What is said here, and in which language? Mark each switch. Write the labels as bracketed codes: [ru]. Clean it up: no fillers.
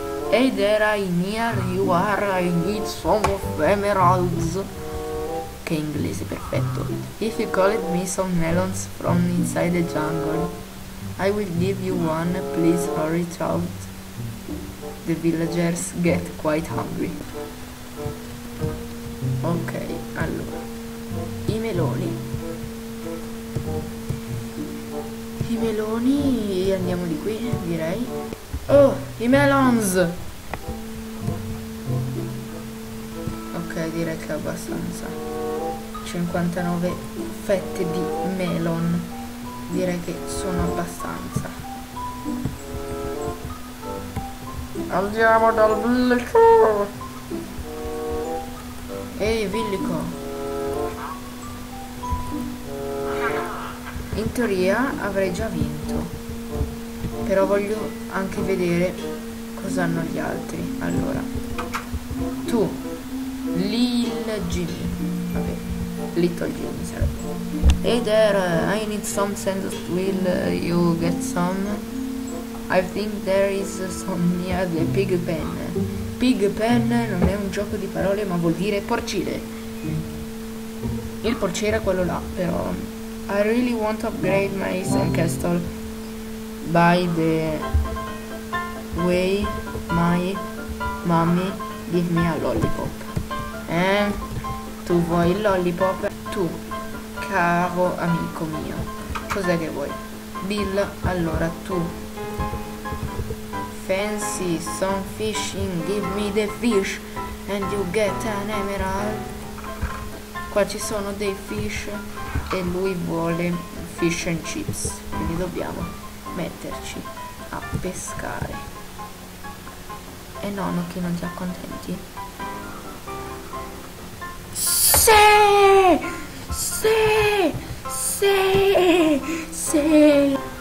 [en] Hey there, I near you are, I need some of emeralds. [it] Che inglese perfetto. [en] If you collect me some melons from inside the jungle, I will give you one. Please hurry out, the villagers get quite hungry. [it] Ok, allora, i meloni andiamo di qui, direi. Oh, i melons. Ok, direi che è abbastanza. 59 fette di melon, direi che sono abbastanza. Andiamo dal villico. Ehi, villico. In teoria avrei già vinto, però voglio anche vedere cosa hanno gli altri. Allora, tu, Lil Jimmy. Vabbè, Little Jimmy sarebbe. [en] Hey there, I need some sand. Will you get some? I think there is some near the pig pen. [it] Pig pen non è un gioco di parole, ma vuol dire porcile. Il porcile è quello là, però. [en] I really want to upgrade my sandcastle. By the way, my mommy give me a lollipop. [it] Tu vuoi il lollipop? Tu, caro amico mio, cos'è che vuoi? Bill, allora tu. [en] Fancy some fishing, give me the fish and you get an emerald. [it] Qua ci sono dei fish e lui vuole [en] fish and chips, [it] quindi dobbiamo metterci a pescare. E nonno, che non ti accontenti? Sì! Sì! Sì! Sì!